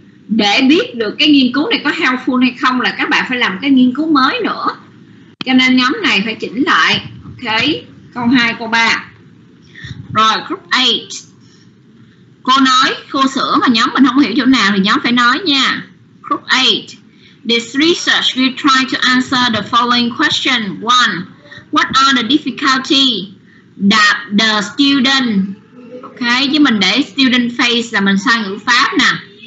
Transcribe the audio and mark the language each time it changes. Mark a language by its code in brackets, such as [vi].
[vi] Để biết được cái nghiên cứu này có helpful hay không là các bạn phải làm cái nghiên cứu mới nữa. Cho nên nhóm này phải chỉnh lại. Ok, câu 2, câu 3. Rồi, group 8. Cô nói, cô sửa mà nhóm mình không hiểu chỗ nào thì nhóm phải nói nha. [en] Group 8. This research will try to answer the following question. 1. What are the difficulties that the student? [vi] Ok, chứ mình để student face là mình sai ngữ pháp nè.